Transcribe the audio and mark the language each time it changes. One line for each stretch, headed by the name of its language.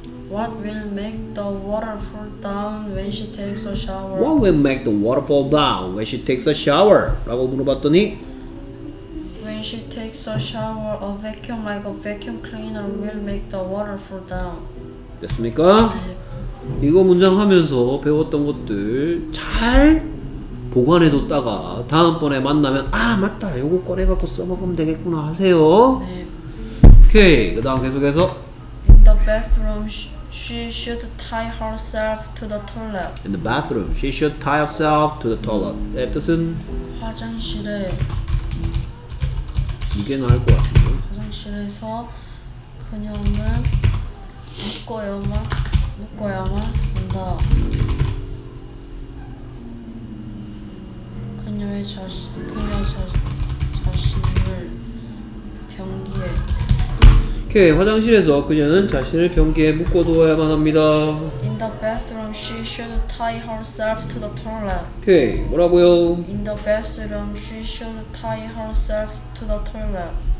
English: What will make the water fall down when she takes a shower? What will make the water fall down when she takes a shower?
Korean: 라고 물어봤더니
English: When she takes a shower, a vacuum like a vacuum cleaner will make the water fall down.
Korean: 됐습니까? 이거 문장 하면서 배웠던 것들 잘 보관해뒀다가 다음번에 만나면 아 맞다 요거 꺼내갖고 써먹으면 되겠구나 하세요. 네. 오케이 그 다음 계속해서
English: In the bathroom she should tie herself to the toilet. In the bathroom she should tie herself to the toilet.
Korean: 의 뜻은? 화장실에 이게 나을 것 같은데 화장실에서 그녀는 묶어야만 한다. 그녀의 자신을 변기에 오케이 화장실에서 그녀는 자신을 변기에 묶어두어야만 합니다.
English: In the bathroom, she should tie herself to the toilet.
Korean: 오케이 뭐라고요?
English: In the bathroom, she should tie herself to the toilet.